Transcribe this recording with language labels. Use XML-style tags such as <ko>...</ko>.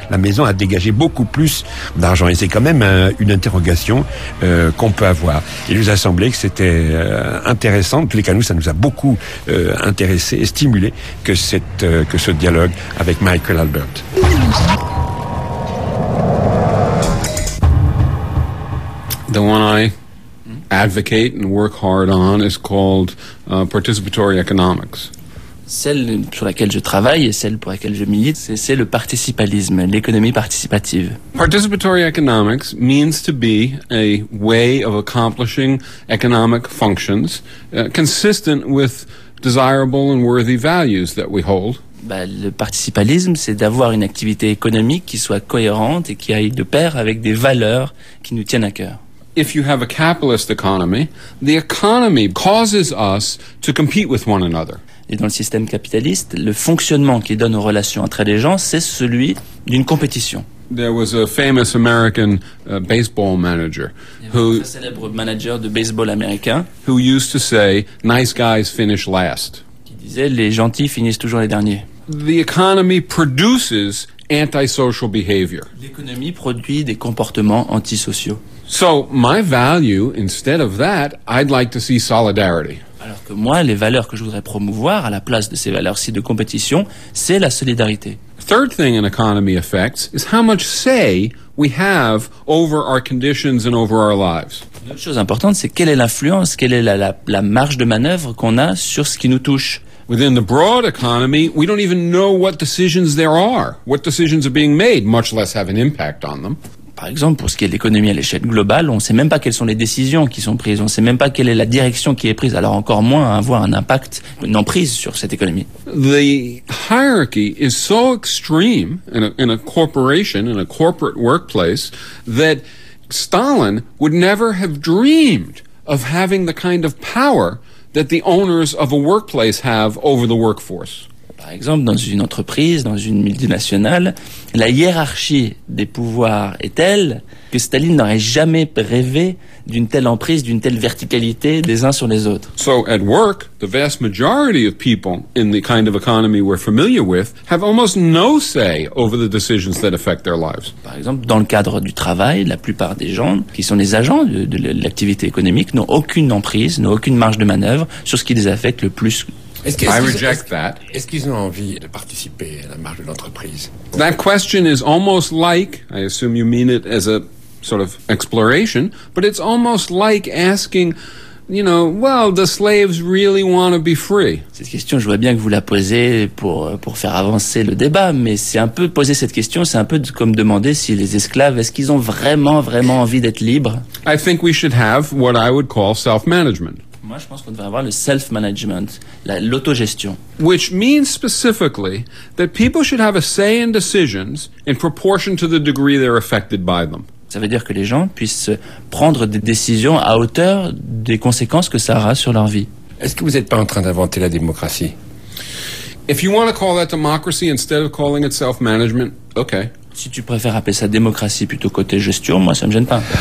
<fr>La maison a dégagé beaucoup plus d'argent, et c'est quand même une interrogation qu'on peut avoir. Il nous a semblé que c'était intéressant, en tous les cas, nous, ça nous a beaucoup intéressé et stimulé que ce dialogue avec Michael Albert.</fr> <en>The one I advocate and work hard on is called participatory economics.</en> <fr>Celle sur laquelle je travaille et celle pour laquelle je milite, c'est le participalisme, l'économie participative.</fr> <en>Participatory economics means to be a way of accomplishing economic functions consistent with desirable and worthy values that we hold.</en> <fr>Le participalisme, c'est d'avoir une activité économique qui soit cohérente et qui aille de pair avec des valeurs qui nous tiennent à cœur.</fr> <en>If you have a capitalist economy, the economy causes us to compete with one another.</en> <fr>Et dans le système capitaliste, le fonctionnement qui donne aux relations entre les gens, c'est celui d'une compétition.</fr> <en>There was a famous American baseball manager who,</en> <fr>un célèbre manager de baseball américain,</fr> <en>who used to say, "Nice guys finish last."</en> <fr>Qui disait, les gentils finissent toujours les derniers.</fr> <en>The economy produces antisocial behavior.</en> <fr>L'économie produit des comportements antisociaux.</fr> <en>So my value, instead of that, I'd like to see solidarity.</en> <fr>Alors que moi, les valeurs que je voudrais promouvoir à la place de ces valeurs-ci de compétition, c'est la solidarité.</fr> <en>Third thing an economy affects is how much say we have over our conditions and over our lives.</en> <fr>Une autre chose importante, c'est quelle est l'influence, quelle est la marge de manœuvre qu'on a sur ce qui nous touche.</fr> <en>Within the broad economy, we don't even know what decisions there are, what decisions are being made, much less have an impact on them.</en> <fr>Par exemple, pour ce qui est de l'économie à l'échelle globale, on ne sait même pas quelles sont les décisions qui sont prises, on ne sait même pas quelle est la direction qui est prise, alors encore moins avoir un impact, une emprise sur cette économie.</fr> <en>The hierarchy is so extreme in a corporation, in a corporate workplace, that Stalin would never have dreamed of having the kind of power that the owners of a workplace have over the workforce.</en> <fr>Par exemple, dans une entreprise, dans une multinationale, la hiérarchie des pouvoirs est telle que Staline n'aurait jamais rêvé d'une telle emprise, d'une telle verticalité des uns sur les autres.</fr> <en>So at work, the vast majority of people in the kind of economy we're familiar with have almost no say over the decisions that affect their lives.</en> <fr>Par exemple, dans le cadre du travail, la plupart des gens qui sont les agents de l'activité économique n'ont aucune emprise, n'ont aucune marge de manœuvre sur ce qui les affecte le plus</fr> <en>I reject that.</en> <fr>Est-ce qu'ils ont envie de participer à la marche de l'entreprise?</fr> <en>That question is almost like, I assume you mean it as a sort of exploration, but it's almost like asking, you know, well, the slaves really want to be free.</en> <fr>Cette question, je vois bien que vous la posez pour faire avancer le débat, mais c'est un peu poser cette question, c'est un peu comme demander si les esclaves, est-ce qu'ils ont vraiment, vraiment envie d'être libres?</fr> <en>I think we should have what I would call self-management.</en> <fr>Moi, je pense qu'on devrait avoir le self-management, l'autogestion.</fr> <en>Which means specifically that people should have a say in decisions in proportion to the degree they're affected by them.</en> <fr>Ça veut dire que les gens puissent prendre des décisions à hauteur des conséquences que ça aura sur leur vie. Est-ce que vous n'êtes pas en train d'inventer la démocratie?</fr> <en>If you want to call that democracy instead of calling it self-management, okay.</en> <fr>Si tu préfères appeler ça démocratie plutôt côté gestion, moi ça me gêne pas.</fr>